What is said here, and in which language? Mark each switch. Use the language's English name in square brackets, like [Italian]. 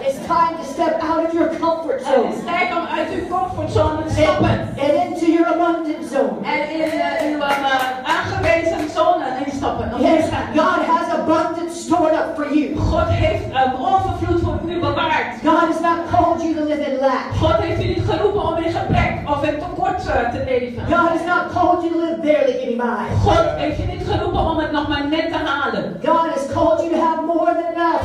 [English] It's time to step out of your comfort zone. It's time [Dutch] om uit uw comfort zone te stappen. [English] And into your abundant zone. [Dutch] En in uw aangewezen zone in stappen. [English] Yes, God has abundance stored up for you. [Dutch] God heeft overvloed voor u bewaard. [English] God has not called you to live in lack. [Dutch] God heeft u niet geroepen om in gebrek of in tekort te leven. [English] God has not called you to live barely getting by. [Dutch] God heeft u niet geroepen om het nog maar net te halen. [English] God has called you to have more than enough.